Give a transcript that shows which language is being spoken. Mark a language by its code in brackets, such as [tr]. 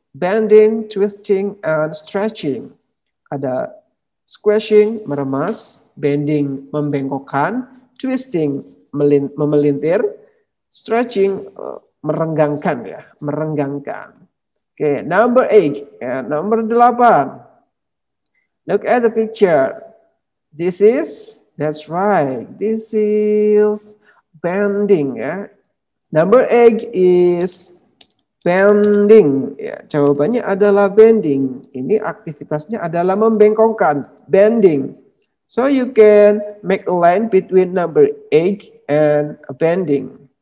[en] bending, twisting, and stretching. [id] Ada squishing, meremas, bending, membengkokkan, twisting, memelintir, stretching, merenggangkan ya, merenggangkan. [en] Oke, okay, number 8, ya, number 8. Look at the picture. This is, that's right, this is bending ya. Number 8 is bending. [id] Ya, jawabannya adalah bending. Ini aktivitasnya adalah membengkokkan, bending. [en] So you can make a line between number 8 and bending.